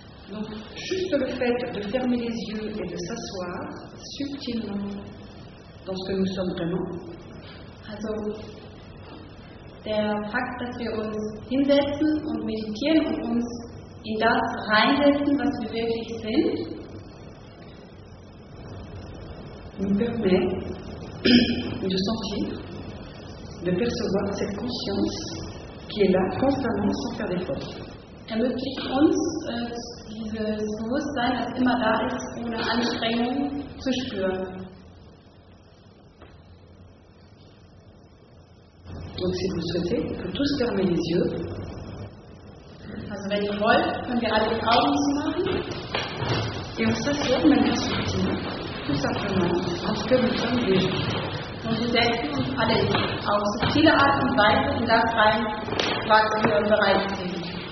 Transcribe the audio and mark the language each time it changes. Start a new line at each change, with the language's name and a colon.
French: Donc, juste le fait de fermer les yeux et de s'asseoir subtilement dans ce que nous sommes vraiment.
German: Also, der Fakt, dass wir uns hinsetzen und meditieren und uns in das reinsetzen, was wir wirklich sind,
French: nous permet de sentir, de percevoir cette conscience qui est là constamment sans faire d'effort.
German: Ermöglicht uns, dieses Bewusstsein, das immer da ist, ohne Anstrengung zu spüren.
French: Donc, si vous souhaitez, que tous fermer les yeux.
German: Also, wenn ihr wollt, können wir alle die Augen zu machen.
French: Et on s'assoit de manière subtile, tout simplement, parce que nous sommes déjà.
German: Und wir setzen uns alle auf subtile Art und Weise in das rein, was wir bereit sind.